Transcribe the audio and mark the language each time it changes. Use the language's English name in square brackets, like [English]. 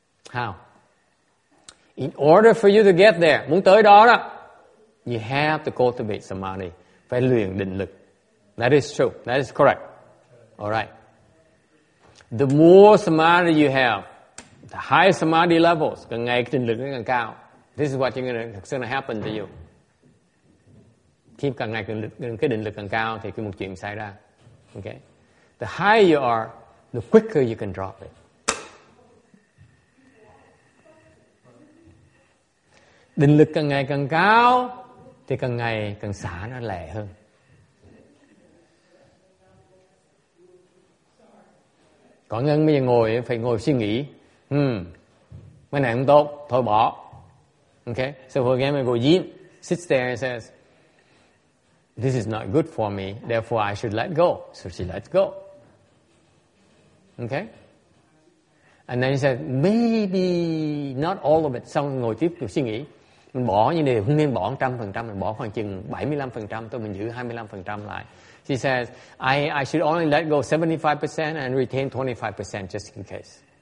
[English] How? In order for you to get there, [Vietnamese] muốn tới đó đó, [English] you have to cultivate samadhi. [Vietnamese] Phải luyện định lực. [English] That is true. That is correct. Alright. The more samadhi you have, the higher samadhi levels, [Vietnamese] càng ngày định lực càng cao. [English] This is what you're gonna happen to you. [Vietnamese] Khi càng ngày cái định lực càng cao thì cái một chuyện xảy ra. [English] Okay. The higher you are, the quicker you can drop it. [Vietnamese] Định lực càng ngày càng cao thì càng ngày càng xả nó lẹ hơn. Có ngân bây giờ ngồi phải ngồi suy nghĩ. Cái này không tốt, thôi bỏ. [English] Okay. So for example, go yin, sits there and says, this is not good for me, therefore I should let go. So she lets go. Okay? And then he said, maybe not all of it. [Vietnamese] Xong ngồi tiếp tục suy nghĩ. Mình bỏ như này, không nên bỏ 100%, mình bỏ khoảng chừng 75%, thôi mình giữ 25% lại. [English] She says, I should only let go 75% and retain 25% just in case.